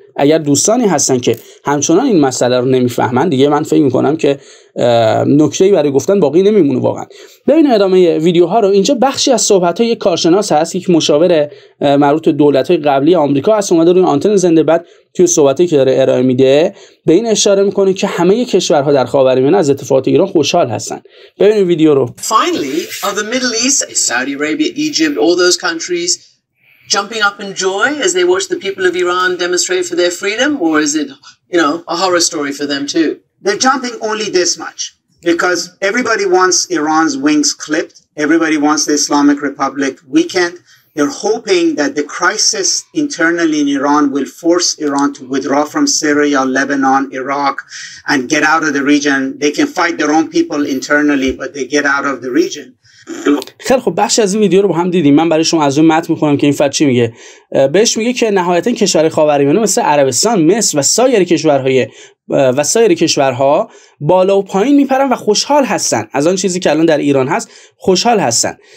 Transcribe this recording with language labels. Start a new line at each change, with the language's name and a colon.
Persian: اگر دوستانی هستن که همچنان این مسئله رو نمیفهمن دیگه من فکر میکنم که نکته‌ای برای گفتن باقی نمیمونه واقعا. ببینید ادامه ویدیوها رو. اینجا بخشی از صحبت‌های یک کارشناس هست، یک مشاور مربوط به دولت‌های قبلی آمریکا هست، اومده روی آنتن زنده بعد توی صحبتی که داره ارائه میده به این اشاره میکنه که همه کشورها در خاورمیانه از اتفاقات ایران خوشحال هستن. ببینید ویدیو رو.
English: Finally, are the Middle East, Saudi Arabia, Egypt, all those countries jumping up in joy as they watch the people of Iran demonstrate for their freedom, or is it, you know, a horror story for them too? They're jumping only this much because everybody wants Iran's wings clipped. Everybody wants the Islamic Republic weakened. They're hoping that the crisis internally in Iran will force Iran to withdraw from Syria, Lebanon, Iraq, and get out of the region. They can fight their own people internally, but they get out of the region.
Persian: خیلی خب بخش از این ویدیو رو با هم دیدیم. من برای شما از اون متن میخونم که این فرد چی میگه. بهش میگه که نهایتا کشور خاورمیانه مثل عربستان، مصر و سایر کشورهای و سایر کشورها بالا و پایین میپرن و خوشحال هستن از آن چیزی که الان در ایران هست، خوشحال هستن.